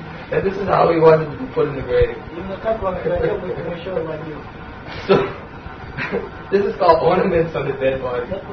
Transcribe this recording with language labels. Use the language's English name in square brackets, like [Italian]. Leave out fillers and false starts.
[English] And this is how he wanted to be put in the grave. [Russian] Именно так он хотел бы помещен в могилу. [English] So this is called ornaments on the dead body.